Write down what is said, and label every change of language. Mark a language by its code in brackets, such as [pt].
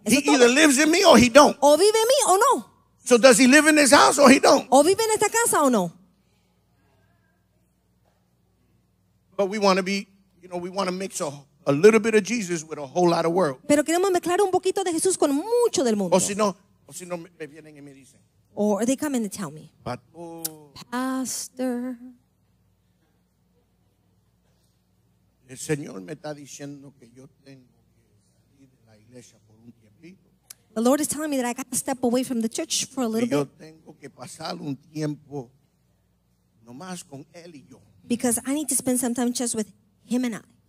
[en] He either lives in me or he don't. [es] O vive en mí o no. [en] So does he live in his house or he don't? [es] O vive en esta casa o no. [en] But we want to be, you know, we want to mix a little bit of Jesus with a whole lot of world. [es] Pero queremos mezclar un poquito de Jesús con mucho del mundo. O si no, me vienen y me dicen. [en] Or they come and they tell me. Pastor. [es] El Señor me está diciendo que yo tengo que salir de la iglesia por un tiempito. [en] The Lord is telling me that I got to step away from the church for a little bit. [es] Yo tengo que pasar un tiempo nomás con él y yo. [en] Because I need to spend some time just with him and I.